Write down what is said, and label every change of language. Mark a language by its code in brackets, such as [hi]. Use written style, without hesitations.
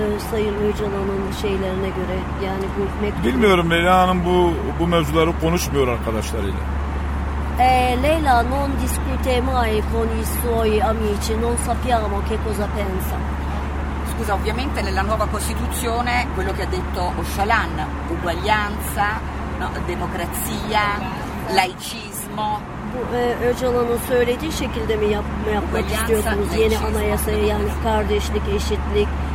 [tr] Sayın Öcalan Hanım'ın şeylerine göre yani bu mektubu. Bilmiyorum, Leyla Hanım bu mevzuları konuşmuyor arkadaşlarıyla. [it] Leyla non discute mai con i suoi amici, non sappiamo che cosa pensa. Scusa, ovviamente nella nuova costituzione quello che ha detto Öcalan, uguaglianza, no, democrazia, laicismo. [tr] Öcalan'ın söylediği şekilde mi yapmak istiyorsunuz yeni anayasayı, yani kardeşlik, eşitlik,